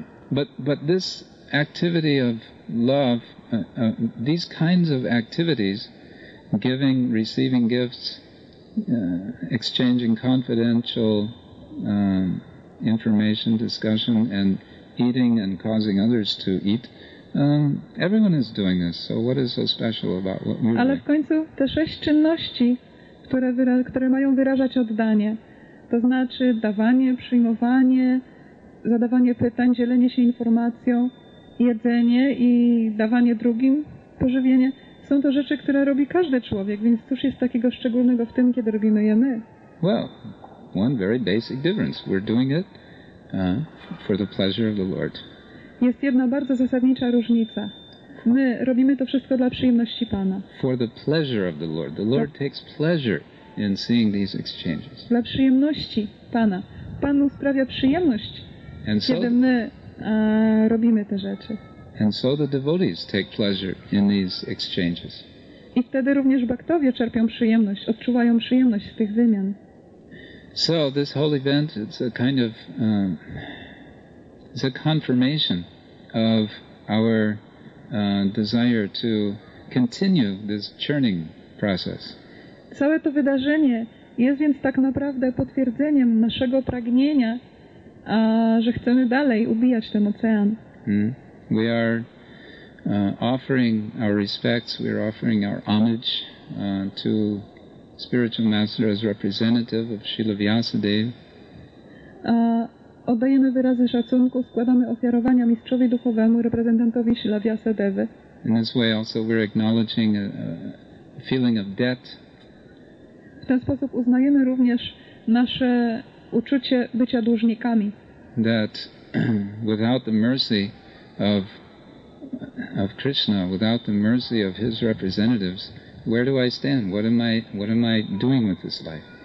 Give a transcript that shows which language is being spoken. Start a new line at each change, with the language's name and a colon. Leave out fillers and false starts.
English: But this activity of love, these kinds of activities, giving, receiving gifts, exchanging confidential information, discussion, and eating and causing others to eat. Everyone is doing this, so what is so special about what we're doing?
Polish: Ale w końcu te sześć czynności, które mają wyrażać oddanie, to znaczy dawanie, przyjmowanie, zadawanie pytań, dzielenie się informacją, jedzenie i dawanie drugim pożywienie, są to rzeczy, które robi każdy człowiek, więc cóż jest takiego szczególnego w tym, kiedy robimy je my?
English: Well, one very basic difference. We're doing it for the pleasure of the Lord.
Polish: Jest jedna bardzo zasadnicza różnica. My robimy to wszystko dla przyjemności Pana.
English: For the pleasure of the Lord. The Lord takes pleasure in seeing these exchanges.
Polish: Dla przyjemności Pana. Panu sprawia przyjemność,
English: and so,
Polish: kiedy my robimy te rzeczy.
English: And so the devotees take pleasure in these exchanges.
Polish: I wtedy również bhaktowie czerpią przyjemność, odczuwają przyjemność z tych wymian.
English: So this whole event, it's a kind of it's a confirmation of our desire to continue this churning process.
Polish: Całe to wydarzenie jest więc tak naprawdę potwierdzeniem naszego pragnienia, że chcemy dalej ubijać ten ocean.
English: We are offering our respects, we are offering our homage to spiritual master as representative of Śrīla Vyāsadeva.
Polish: Oddajemy wyrazy szacunku, składamy ofiarowania mistrzowi duchowemu, reprezentantowi Śrīla Vyāsadevy.
English: In this way also we're acknowledging a feeling of debt.
Polish: W ten sposób uznajemy również nasze uczucie bycia dłużnikami.
English: That without the mercy of Krishna, without the mercy of his representatives, where do I stand? What am I doing with this life?